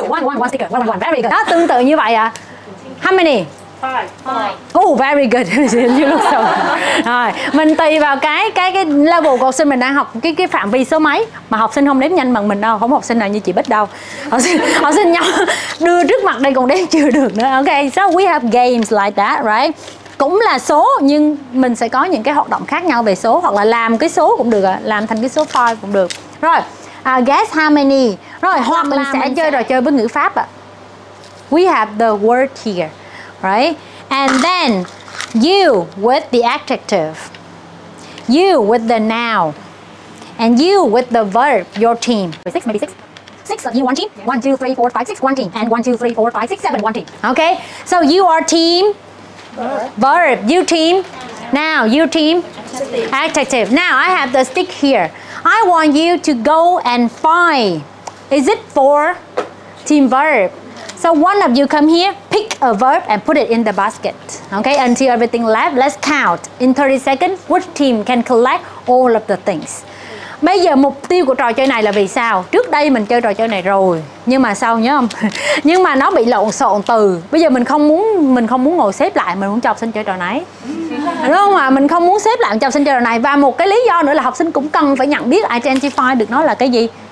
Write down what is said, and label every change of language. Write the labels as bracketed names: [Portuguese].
[English] You, 1, 1, 1 sticker, 1, 1, 1, very good. [Vietnamese] Đó, tương tự như vậy ạ. [English] How many? Five. Oh, very good. You look so good. [Vietnamese] Rồi, mình tùy vào cái level của học sinh mình đang học, cái phạm vi số mấy. Mà học sinh không đếm nhanh bằng mình đâu, không học sinh nào như chị Bích đâu. Học sinh nhau đưa trước mặt đây còn đếm chưa được nữa. [English] Ok, so we have games like that, right? [Vietnamese] Cũng là số, nhưng mình sẽ có những cái hoạt động khác nhau về số. Hoặc là làm cái số cũng được, làm thành cái số 5 cũng được. Rồi, [English] guess how many. [Vietnamese] Rồi, hoặc mình sẽ chơi trò chơi với ngữ pháp ạ. [English] We have the word here, right? And then you with the adjective, you with the noun, and you with the verb, your team. Six, maybe six. Six of you, one team. One, two, three, four, five, six, one team. And one, two, three, four, five, six, seven, one team. Okay, so you are team. Verb. You team. Now, you team. Adjective. Now, I have the stick here. I want you to go and find. Is it for team verb? So one of you come here, pick a verb and put it in the basket. Okay, until everything left, let's count. In 30 seconds, which team can collect all of the things? [Vietnamese] Bây giờ mục tiêu của trò chơi này là vì sao? Trước đây mình chơi trò chơi này rồi, nhưng mà sao nhớ không? Nhưng mà nó bị lộn xộn từ. Bây giờ mình không muốn ngồi xếp lại, mình muốn cho học sinh chơi trò này. Đúng không ạ? Mình không muốn xếp lại cho học sinh chơi trò này. Và một cái lý do nữa là học sinh cũng cần phải nhận biết identify được nó là cái gì.